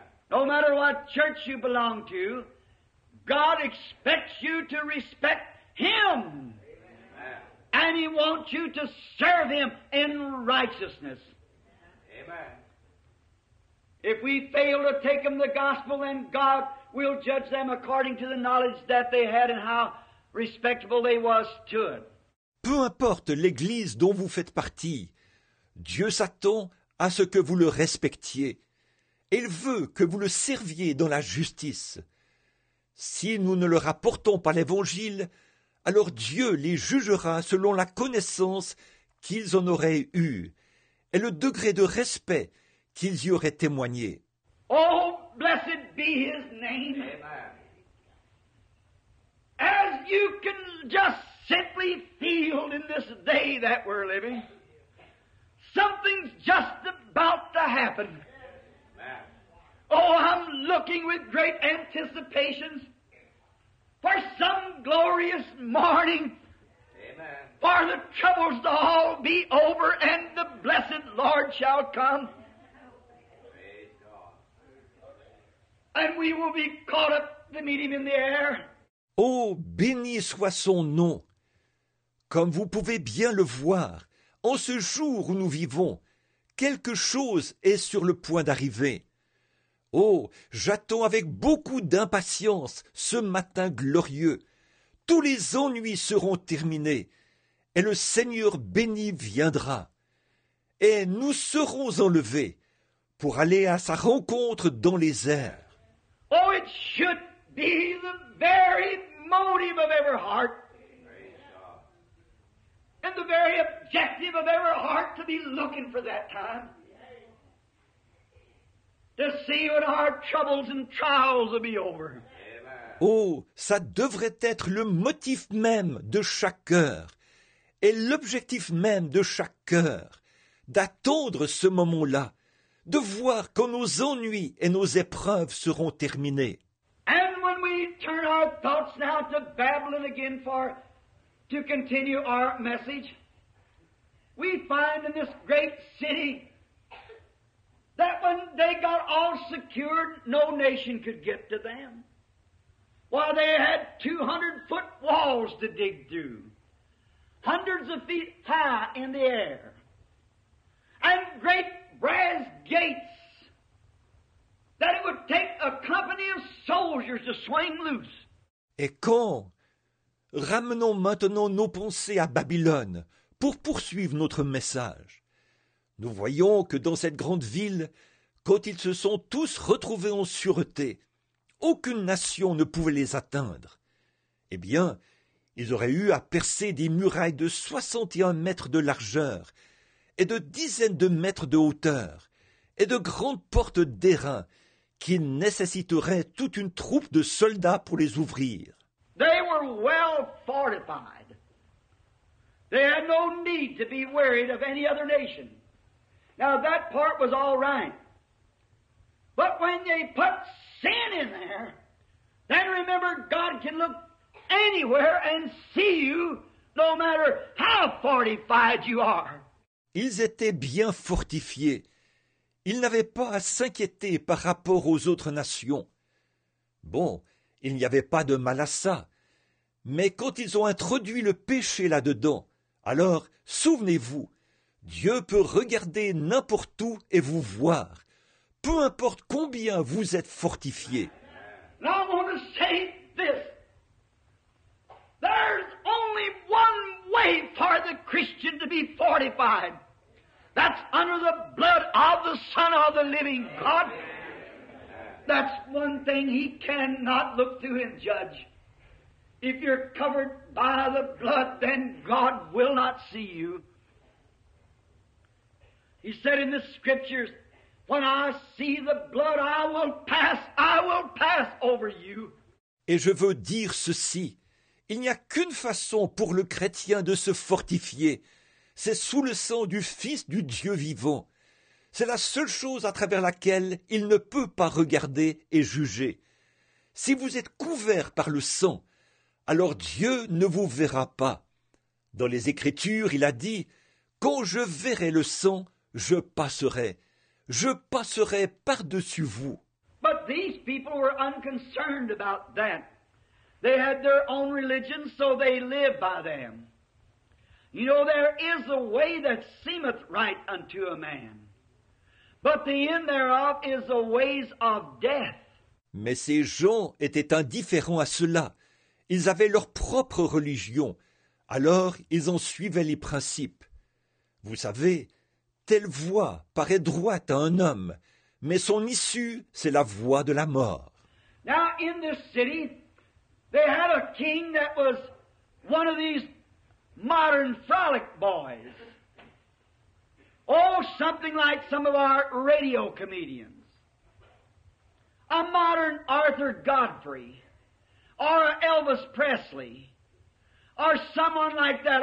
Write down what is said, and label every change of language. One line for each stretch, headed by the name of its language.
English: No matter what church you belong to, God expects you to respect Him. Amen. And He wants you to serve Him in righteousness. Amen. If we fail to take them the gospel, then God will judge them according to the knowledge that they had and how respectable they was to it.
French: Peu importe l'église dont vous faites partie, Dieu s'attend à ce que vous le respectiez. Il veut que vous le serviez dans la justice. Si nous ne le rapportons pas l'Évangile, alors Dieu les jugera selon la connaissance qu'ils en auraient eue et le degré de respect qu'ils y auraient témoigné.
English: Oh, blessed be His name. As you can just simply feel in this day that we're living, something's just about to happen. Oh, I'm looking with great anticipations for some glorious morning. Amen. For the troubles to all be over and the blessed Lord shall come. God. And we will be caught up to meet Him in the air.
French: Oh, béni soit son nom. Comme vous pouvez bien le voir, en ce jour où nous vivons, quelque chose est sur le point d'arriver. Oh, j'attends avec beaucoup d'impatience ce matin glorieux. Tous les ennuis seront terminés et le Seigneur béni viendra. Et nous serons enlevés pour aller à sa rencontre dans les airs.
English: Oh, it should be the very motive of every heart. And the very objective of every heart to be looking for that time. To see when our troubles and trials will be over. Amen.
French: Oh, ça devrait être le motif même de chaque cœur et l'objectif même de chaque cœur d'attendre ce moment-là, de voir quand nos ennuis et nos épreuves seront terminés.
English: And when we turn our thoughts now to Babylon again for to continue our message, we find in this great city that when they got all secured, no nation could get to them. While they had 200-foot walls to dig through, hundreds of feet high in the air, and great brass gates that it would take a company of soldiers to swing loose.
French: Et quand, ramenons maintenant nos pensées à Babylone pour poursuivre notre message. Nous voyons que dans cette grande ville, quand ils se sont tous retrouvés en sûreté, aucune nation ne pouvait les atteindre. Eh bien, ils auraient eu à percer des murailles de 61 mètres de largeur et de dizaines de mètres de hauteur et de grandes portes d'airain qui nécessiteraient toute une troupe de soldats pour les ouvrir.
English: They were well fortified. They had no need to be worried of any other nation. Now that part was all right. But when they put sin in there, then remember God can look anywhere and see you, no matter how fortified you are.
French: Ils étaient bien fortifiés. Ils n'avaient pas à s'inquiéter par rapport aux autres nations. Bon, il n'y avait pas de mal à ça. Mais quand ils ont introduit le péché là-dedans, alors souvenez-vous, Dieu peut regarder n'importe où et vous voir, peu importe combien vous êtes fortifié.
English: Now I want to say this. There's only one way for the Christian to be fortified. That's under the blood of the Son of the living God. That's one thing He cannot look through and judge. If you're covered by the blood, then God will not see you. He said in the scriptures, when I see the blood, I will pass over you.
French: Et je veux dire ceci. Il n'y a qu'une façon pour le chrétien de se fortifier. C'est sous le sang du Fils du Dieu vivant. C'est la seule chose à travers laquelle il ne peut pas regarder et juger. Si vous êtes couvert par le sang, alors Dieu ne vous verra pas. Dans les Écritures, il a dit, « Quand je verrai le sang, je passerai. Je passerai par-dessus vous. »
English: But these people were unconcerned about that. They had their own religion, so they lived by them. You know, there is a way that seemeth right unto a man. But the end thereof is the ways of death.
French: Mais ces gens étaient indifférents à cela. Ils avaient leur propre religion. Alors, ils en suivaient les principes. Vous savez, telle voie paraît droite à un homme, mais son issue, c'est la voie de la mort.
English: Now, in this city, they had a king that was one of these modern frolic boys. Oh, something like some of our radio comedians. A modern Arthur Godfrey, or Elvis Presley, or someone like that.